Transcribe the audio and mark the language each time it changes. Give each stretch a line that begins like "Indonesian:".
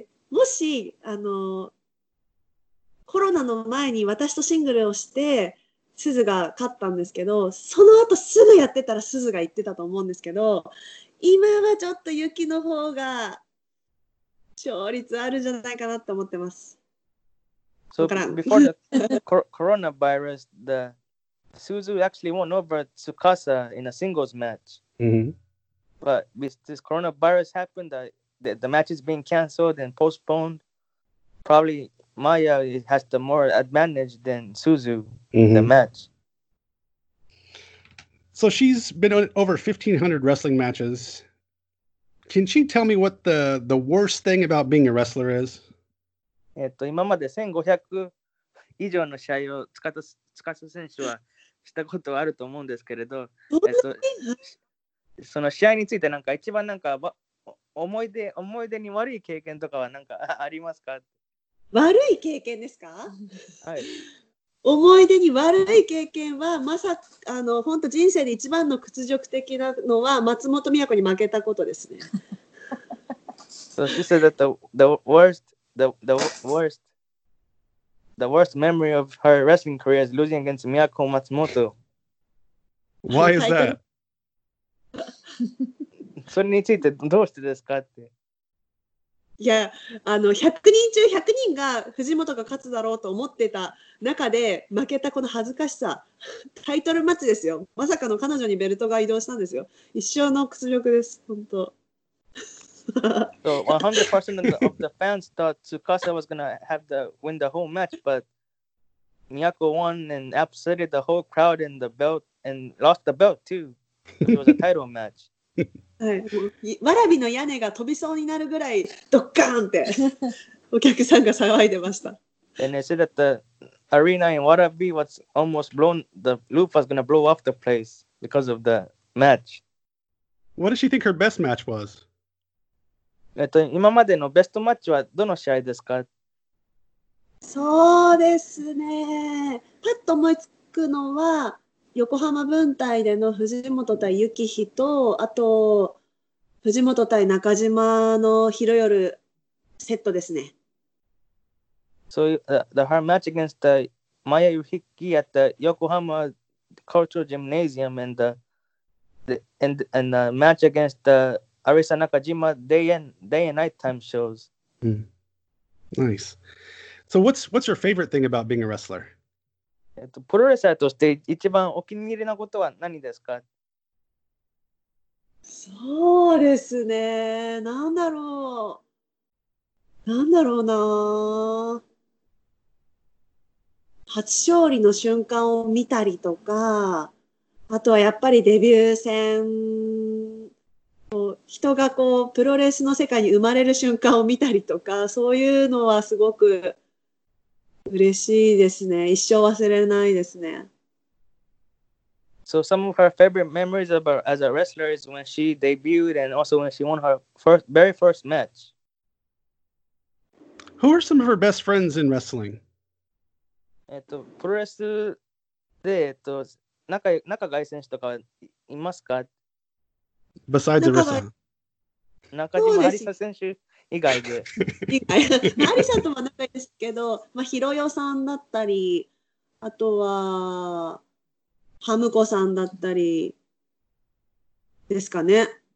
Japanese: もし、コロナの前に私とシングルをしてすずが勝ったんですけど、その後すぐやってたらすずが言ってたと思うんですけど、今はちょっと雪の方が勝率あるじゃないかなと思ってます。
English: So before the coronavirus, the Suzu actually won over Tsukasa in a singles match. Mm-hmm. But with this coronavirus happened, the match is being canceled and postponed. Probably Maya has the more advantage than Suzu in the match. So she's been over 1,500 wrestling matches. Can she tell me what the worst thing about being a wrestler is?
Japanese: 今まで1500以上の試合を塚田選手はしたことはあると思うんですけれど、その試合についてなんか一番なんか思い出に悪い経験とかはなんかありますか？悪い経験ですか？はい。思い出に悪い経験は、まさか、あの、本当人生で一番の屈辱的なのは、松本都に負けたことですね。
English: So she said that the worst memory of her wrestling career is losing against Miyako Matsumoto. Why is that?
Japanese: それについてどうしてですかって。いや、あの、100人中100人が藤本が勝つだろうと思ってた中で負けたこの恥ずかしさ、タイトルマッチですよ。まさかの彼女にベルトが移動したんですよ。一生の屈辱です、本当。
English: So 100% of the fans thought Tsukasa was gonna have the win the whole match, but Miyako won and upset the whole crowd and the belt and lost the belt too. It was a title match.
Japanese: わらびの屋根が飛びそうになるぐらいドッカーンってお客さんが騒いでました。
English: And they said that the arena in Warabi was almost blown. The roof was gonna blow off the place because of the match. What does she think her best match was?
Japanese: 今までのベストマッチはどの試合ですか？そうですね。パッと思いつくのは、横浜分隊での藤本対幸妃と、あと、藤本対中島の昼夜セットですね。
English: So, her match against Maya Yuhiki at the Yokohama Cultural Gymnasium and the match against theArisa Nakajima day and nighttime shows. Nice. So what's your favorite thing about being a wrestler?
Japanese: プロレスラーとして一番お気に入りなことは何ですか？そうですね。なんだろうな。初勝利の瞬間を見たりとか、あとはやっぱりデビュー戦。人がこうプロレスの世界に生まれる瞬間を見たりとか、そういうのはすごく嬉しいですね。一生忘れないですね。
English: So some of her favorite memories of her as a wrestler is when she debuted and also when she won her very first match. Who are some of her best friends in wrestling?
Japanese: プロレスで、仲がいい選手とかいますか？
English: Besides Arisa.
Japanese: Nakajima Arisa 選手以外で。 Arisa とは仲いいですけど、まあ、ヒロヨさんだったり、あとは、ハムコさんだったり、ですかね。